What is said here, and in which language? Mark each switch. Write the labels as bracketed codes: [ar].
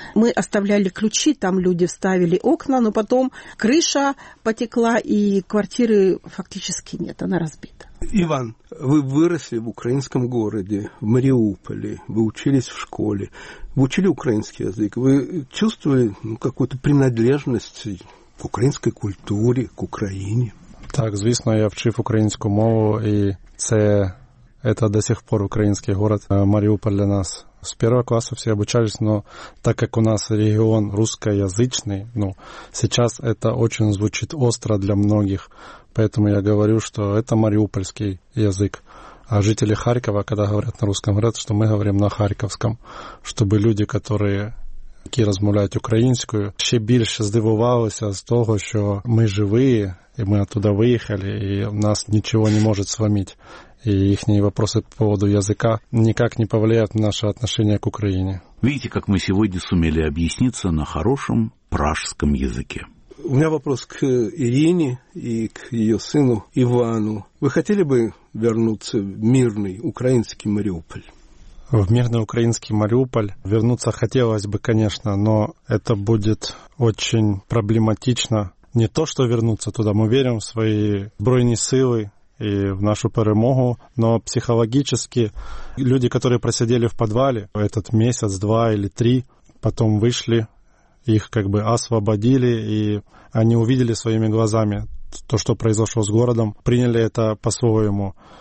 [ru] Мы оставляли ключи, там люди вставили окна, но потом крыша потекла, и квартиры фактически нет, она разбита. Иван, вы выросли в украинском городе, в Мариуполе, вы учились в школе, вы учили украинский язык, вы чувствовали какую-то принадлежность к украинской культуре, к Украине? [uk] Так, звісно, я вчив українську мову, і це до сих пор український город, Маріуполь для нас. [ru] С первого класса все обучались, но так как у нас регион русскоязычный, ну, сейчас это очень звучит остро для многих, поэтому я говорю, что это мариупольский язык. А жители Харькова, когда говорят на русском, говорят, что мы говорим на харьковском, чтобы люди, которые [uk] розмовляють українською, ще більше здивувалися з того, що ми живі, і ми оттуда виїхали, і нас нічого не може зламати. І їхні питання по поводу язика ніяк не повлияють на наше відношення к Україні. Видите, як ми сьогодні суміли об'ясниться на хорошому пражському язикі. У мене питання к Ірині і к її сину Івану. Ви хотіли би повернутися в мирний український Маріуполь? [ru] В мирный украинский Мариуполь вернуться хотелось бы, конечно, но это будет очень проблематично. Не то, что вернуться туда, мы верим в свои бройные силы и в нашу перемогу, но психологически люди, которые просидели в подвале этот месяц, два или три, потом вышли, их как бы освободили, и они увидели своими глазами то, что произошло с городом, приняли это по-своему.